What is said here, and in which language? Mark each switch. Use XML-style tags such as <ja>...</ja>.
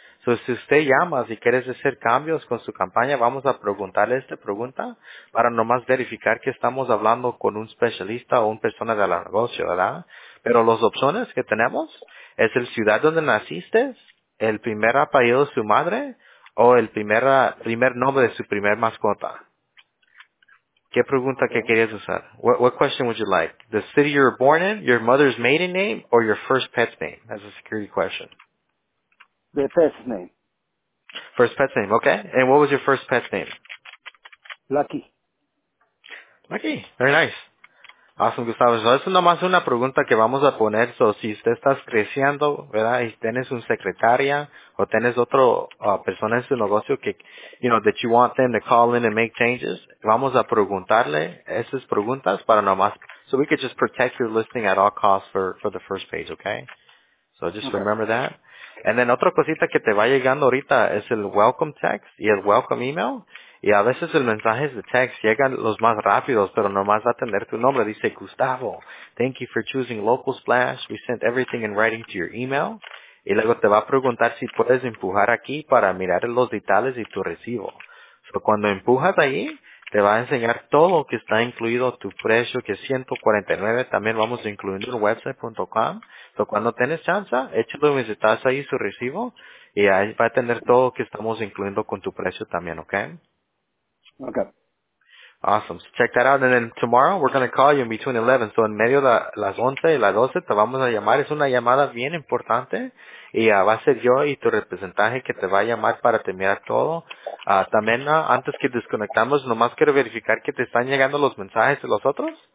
<es>So, si usted llama, si quieres hacer cambios con su campaña, vamos a preguntarle esta pregunta para nomás verificar que estamos hablando con un especialista o una persona de la negocio, ¿verdad? Pero las opciones que tenemos es el ciudad donde naciste, el primer apellido de su madre, o el primer nombre de su primer mascota. ¿Qué pregunta que querías usar?</es> <en>What question would you like? The city you were born in, your mother's maiden name, or your first pet's name? That's a security question. The pet's name. First pet's name, okay. And what was your first pet's name? Lucky. Lucky, very nice. Awesome, Gustavo.</en> <es>Eso es nomás una pregunta que vamos a poner.</es> <en>So,</en> <es>si usted está creciendo, ¿verdad? Y tienes un secretaria o tienes otra persona en su negocio que,</es> <en>you know, that you want them to call in and make changes,</en> <es>vamos a preguntarle esas preguntas para nomás,</es> <en>so we could just protect your listing at all costs for the first page, okay? So, just remember that. And then,</en> <es>otra cosita que te va llegando ahorita es el welcome text y el welcome email. Y a veces el mensaje de text llegan los más rápidos, pero nomás atender tu nombre.</es> <en>Dice, Gustavo, thank you for choosing Local Splash. We sent everything in writing to your email.</en> <es>Y luego te va a preguntar si puedes empujar aquí para mirar los detalles y tu recibo. So, cuando empujas ahí, te va a enseñar todo lo que está incluido, tu precio, que es 149. También vamos a incluir un website.com. So, cuando tienes chance, échale un vistazo ahí su recibo. Y ahí va a tener todo lo que estamos incluyendo con tu precio también, ¿okay?</es> <en>Okay. Awesome. So check that out. And then tomorrow we're going to call you in between 11.</en> <es>So en medio de las 11 y las 12 te vamos a llamar. Es una llamada bien importante. Y va a ser yo y tu representante que te va a llamar para terminar todo. También antes que desconectamos, nomás quiero verificar que te están llegando los mensajes de los otros.</es>